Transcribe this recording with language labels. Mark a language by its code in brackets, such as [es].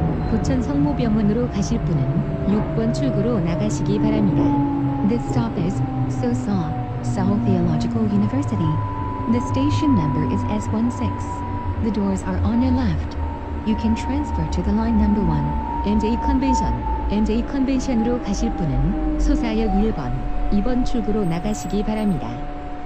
[ko] 부천성모병원으로 가실 분은 6번 출구로 나가시기 바랍니다. [en] This stop is Sosa, Seoul Theological University. The station number is S16. The doors are on your left. You can transfer to the line number 1. [ko] NJ 컨벤션으로 가실 분은 소사역 1번, 2번 출구로 나가시기 바랍니다.